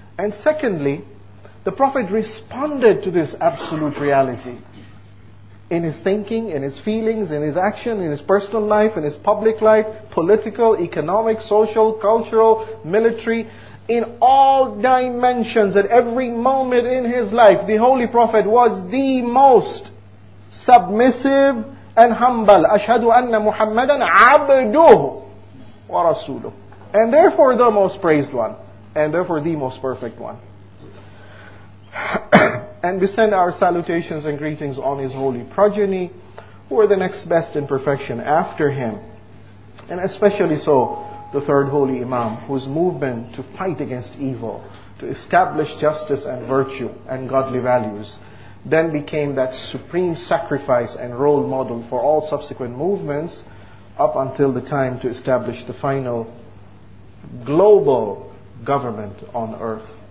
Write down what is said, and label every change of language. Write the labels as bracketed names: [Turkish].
[English] And secondly, the Prophet responded to this absolute reality in his thinking, in his feelings, in his action, in his personal life, in his public life, political, economic, social, cultural, military, in all dimensions, at every moment in his life. The Holy Prophet was the most submissive and humble. [Arabic] أَشْهَدُ أَنَّ مُحَمَّدًا عَبْدُهُ وَرَسُولُهُ. [English] And therefore the most praised one, and therefore the most perfect one. And we send our salutations and greetings on his holy progeny, who are the next best in perfection after him. And especially so, the third holy imam, whose movement to fight against evil, to establish justice and virtue and godly values, then became that supreme sacrifice and role model for all subsequent movements, up until the time to establish the final global government on earth.